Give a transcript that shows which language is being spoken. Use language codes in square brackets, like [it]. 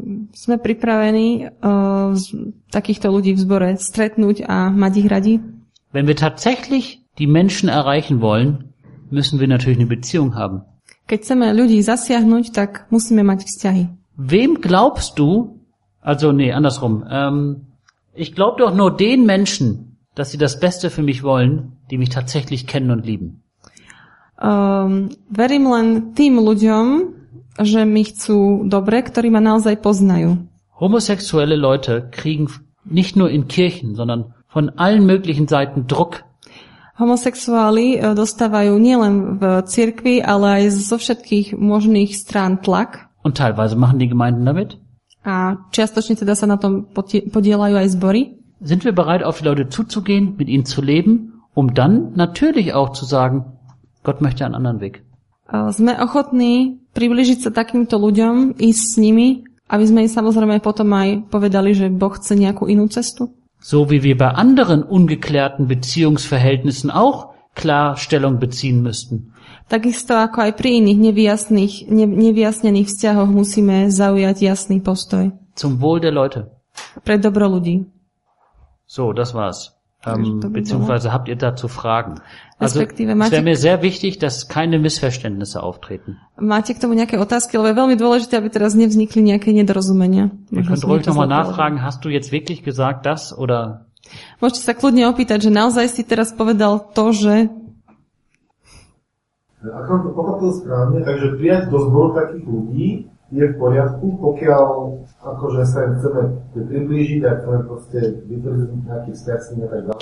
[sk] Sme pripravení takýchto ľudí v zbore stretnúť a mať ich radi. [de] Wenn wir tatsächlich die Menschen erreichen wollen, müssen wir natürlich eine Beziehung haben. [sk] Keď chceme ľudí zasiahnuť, tak musíme mať vzťahy. [de] Wem glaubst du? Also nee, andersrum. Ich glaube doch nur den Menschen, dass sie das Beste für mich wollen, die mich tatsächlich kennen und lieben. [sk] Verím len tým ľuďom, že mi chcú dobre, ktorí ma naozaj poznajú. [de] Homosexuelle Leute kriegen nicht nur in Kirchen, sondern von allen möglichen Seiten Druck. [sk] Homosexuáli dostávajú nielen v cirkvi, ale aj zo všetkých možných strán tlak. [de] Und teilweise machen die Gemeinden damit. [sk] A čiastočne teda sa na tom podieľajú aj zbory. [de] Sind wir bereit, auf die Leute zuzugehen, mit ihnen zu leben, um dann natürlich auch zu sagen, Gott möchte einen anderen Weg. [sk] Sme ochotní približiť sa takýmto ľuďom, ísť s nimi, aby sme im samozrejme potom aj povedali, že Boh chce nejakú inú cestu? [de] So wie wir bei anderen ungeklärten Beziehungsverhältnissen auch klar Stellung beziehen müssten. [sk] Takisto ako aj pri iných nevyjasnených vzťahoch musíme zaujať jasný postoj. [de] Zum Wohl der Leute. [sk] Pre dobro ľudí. [de] So, das war's. Beziehungsweise habt ihr dazu Fragen? Also, es wäre mir sehr wichtig, dass keine Missverständnisse auftreten. [sk] Máte k tomu nejaké otázky, lebo je veľmi dôležité, aby teraz nevznikli nejaké nedorozumenia. [de] Ihr könnt ruhig mal nachfragen, hast du jetzt wirklich gesagt das, oder? [sk] Môžete sa kľudne opýtať, že naozaj si teraz povedal to, že... Ako to pochopil správne, takže prijať do zboru takých ľudí, je v poriadku, pokiaľ akože sa im chceme priblížiť a chceme proste vyprezniť nejaký vzťah s nimi a tak ďalej.